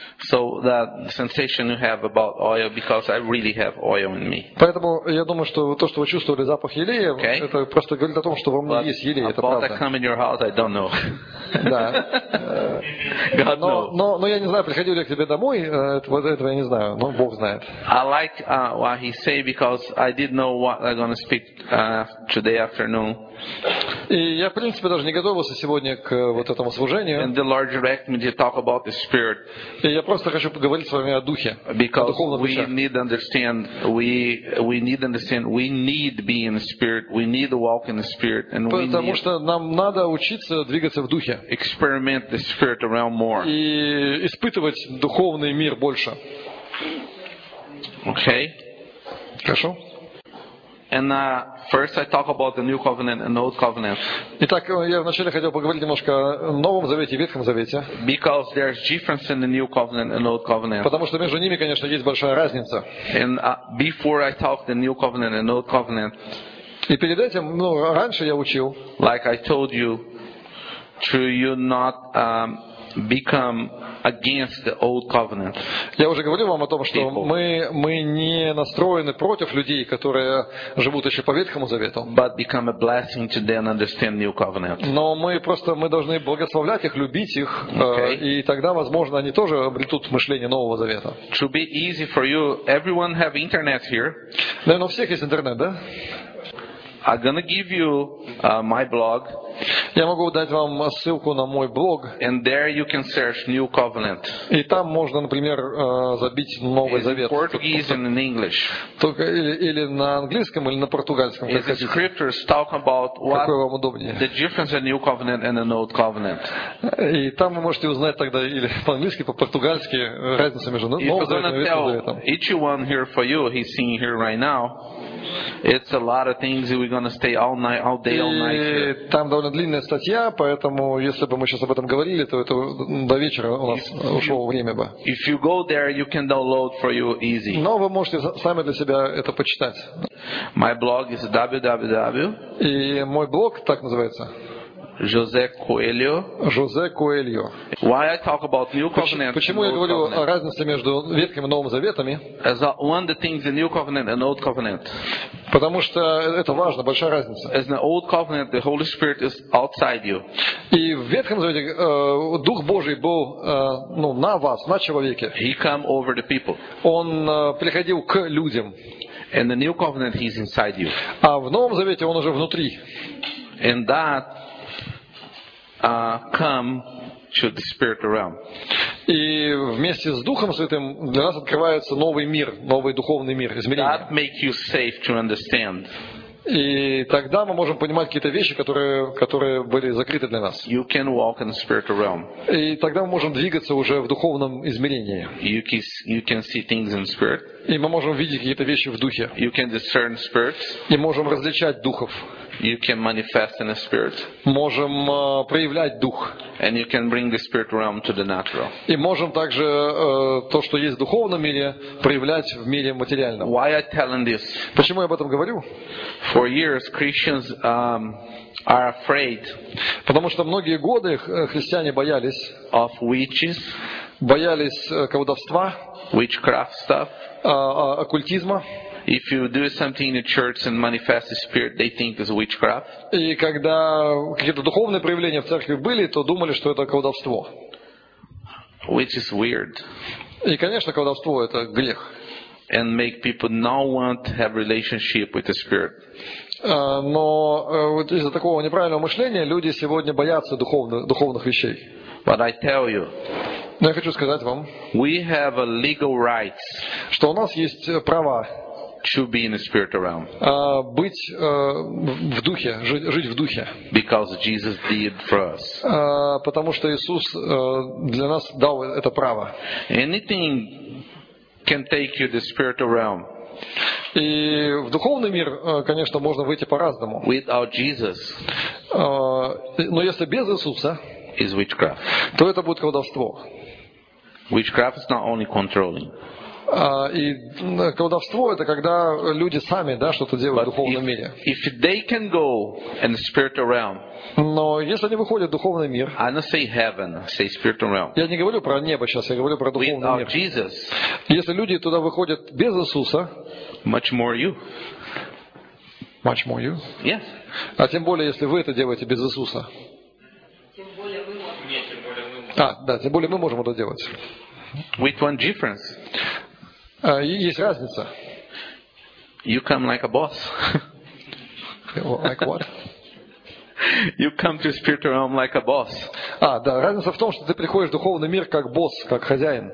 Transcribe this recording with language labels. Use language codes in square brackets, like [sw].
[en] So the sensation you have about oil, because I really have oil in me. [ru] Поэтому я думаю, что то, что вы чувствовали запах елея, okay. Это просто говорит о том, что во мне [en] but [ru] есть елей, это правда. [en] About that come in your house, I don't know. [ru] Да. [en] God knows. [ru] Но я не знаю, приходил ли к тебе домой, вот этого я не знаю, но Бог знает. [en] I like what he say, because I didn't know what I'm going to speak today afternoon. [ru] И я, в принципе, даже не готовился сегодня к вот этому служению. [en] And the Lord direct me to talk about the Spirit. [ru] И я просто хочу поговорить с вами о духе, [en] because [ru] о духовном духе. [en] We need understand, we need understand, we need be in the Spirit, we need to walk in the Spirit, and [ru] потому [en] we need. [ru] Потому что нам надо учиться двигаться в духе. [en] Experiment the Spirit around more. [ru] И испытывать духовный мир больше. [en] Okay. [ru] Хорошо. [en] And first I talk about the new covenant and old covenant. [ru] Итак, я вначале хотел поговорить немножко о Новом Завете и Ветхом Завете. [en] Because there's difference in the new covenant and old covenant. [ru] Потому что между ними, конечно, есть большая разница. [en] And before I talk the new covenant and old covenant. [ru] И перед этим, ну, раньше я учил. [en] Like I told you, to you not become against the old covenant. [ru] Я уже говорил вам о том, что мы не настроены против людей, которые живут еще по Ветхому Завету. [en] But become a blessing to them, understand new covenant. [ru] Но мы должны благословлять их, любить их, [en] okay. [ru] И тогда, возможно, они тоже обретут мышление Нового Завета. [en] To be easy for you, everyone have internet here. [ru] Наверное, у всех есть интернет, да? [en] I'm gonna give you my blog. [ru] Я могу дать вам ссылку на мой блог. [en] And there you can search New Covenant. [ru] И там можно, например, забить Новый Завет. [en] In Portuguese and in English. [ru] Только или на английском, или на португальском. [en] As the scriptures talk about what the difference in New Covenant and the Old Covenant. [ru] И там вы можете узнать тогда или по-английски, по-португальски разницу между Новым Заветом и Новым Заветом. [en] Each one here for you, he's seeing here right now. It's a lot of things that we're going to stay all night, all day, all night. [ru] Там довольно длинная статья, поэтому если бы мы сейчас об этом говорили, то это до вечера у нас ушло время бы. [en] If you go there, you can download for you easy. [ru] Но вы можете сами для себя это почитать. [en] My blog is www. [ru] И мой блог так называется. [en] José Coelho. [ru] José Coelho. [en] Why I talk about New Covenant? [ru] Почему я говорю о разнице между Ветхим и Новым Заветами? [en] As one of the things in New Covenant and Old Covenant. [ru] Потому что это важно, большая разница. [en] As the Old Covenant, the Holy Spirit is outside you. [ru] И в Ветхом Завете Дух Божий был на вас, на человеке. [en] He came over the people. [ru] Он приходил к людям. [en] In the New Covenant, he's inside you. [ru] А в Новом Завете он уже внутри. [en] And that come to the spiritual realm. [ru] И вместе с Духом Святым для нас открывается новый мир, новый духовный мир, измерение. [en] That make you safe to understand. [ru] И тогда мы можем понимать какие-то вещи, которые были закрыты для нас. [en] You can walk in the spiritual realm. [ru] И тогда мы можем двигаться уже в духовном измерении. [en] You can see things in spirit. [ru] И мы можем видеть какие-то вещи в духе. [en] You can discern spirits. [ru] И можем различать духов. [en] You can manifest in the spirit. [ru] Можем проявлять дух. [en] And you can bring the spirit realm to the natural. [ru] И можем также то, что есть в духовном мире, проявлять в мире материальном. [en] Why I telling this? [ru] Почему я об этом говорю? [en] For years Christians are afraid. [ru] Потому что многие годы христиане боялись. [en] Of witches. [ru] Боялись колдовства. [en] Witchcraft stuff. [ru] Оккультизма. [en] If you do something in the church and manifest the spirit, they think it's witchcraft. [ru] И когда какие-то духовные проявления в церкви были, то думали, что это колдовство. [en] Which is weird. [ru] И, конечно, колдовство это грех. [en] And make people not want to have relationship with the spirit. [ru] Но вот из-за такого неправильного мышления люди сегодня боятся духовных вещей. [en] But I tell you. [ru] Но я хочу сказать вам. [en] We have a legal rights. [ru] Что у нас есть права. [en] To be in the spirit realm. [ru] Быть в духе, жить в духе. [en] Because Jesus did for us. [ru] Потому что Иисус для нас дал это право. [en] Anything can take you to the spiritual realm. [ru] И в духовный мир, конечно, можно выйти по-разному. [en] Without Jesus. [ru] Но если без Иисуса, [en] is witchcraft. [ru] То это будет колдовство. [en] Witchcraft is not only controlling. [ru] И колдовство это когда люди сами что-то делают в духовном мире. [en] If they can go in the spiritual realm. [ru] Но если они выходят в духовный мир. [en] I don't say heaven, say spiritual realm. [ru] Я не говорю про небо сейчас, я говорю про духовный мир. [en] Without Jesus. [ru] Если люди туда выходят без Иисуса. [en] Much more you. Much more you. Yes. [ru] А тем более если вы это делаете без Иисуса. Тем более мы можем это делать. [en] With one difference. [ru] Есть разница. [en] You come like a boss. Like what? You come to spiritual realm like a boss. [ru] Разница в том, что ты приходишь в духовный мир как босс, как хозяин.